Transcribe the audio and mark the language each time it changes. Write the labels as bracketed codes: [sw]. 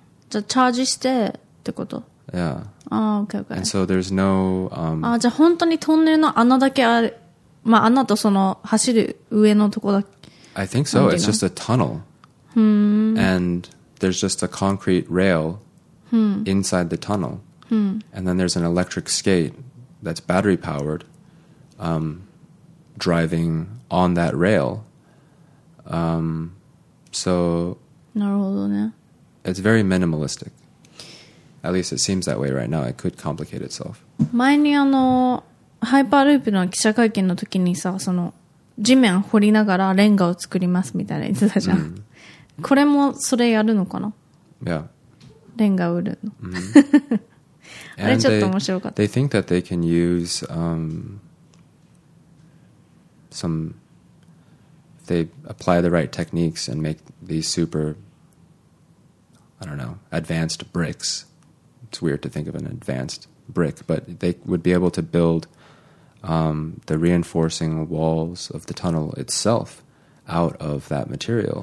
[ja] じゃあチャージしてってこと [en] Yeah. ああ、OK, OK. And so there's no... [ja] ああ、じゃあ本当にトンネルの穴だけある。まあ穴とその走る上のとこだけ。 [en] I think so. It's just a tunnel. And there's just a concrete rail inside the tunnel. And then there's an electric skate that's battery powered. driving on that rail. [ja] なるほどね。 [en] It's very minimalistic. At least it seems that way right now. It could complicate itself. [ja] 前にハイパーループの記者会見の時にさ、その地面掘りながらレンガを作りますみたいな言ってたじゃん。 Mm-hmm. これもそれやるのかな？ [en] Yeah. [ja] レンガ売るの。 Mm-hmm. あれちょっと面白かった。 [en] They think that they can use some if they apply the right techniques and make these super, I don't know, advanced bricks. It's weird to think of an advanced brick, but they would be able to buildthe reinforcing walls of the tunnel itself out of that material.、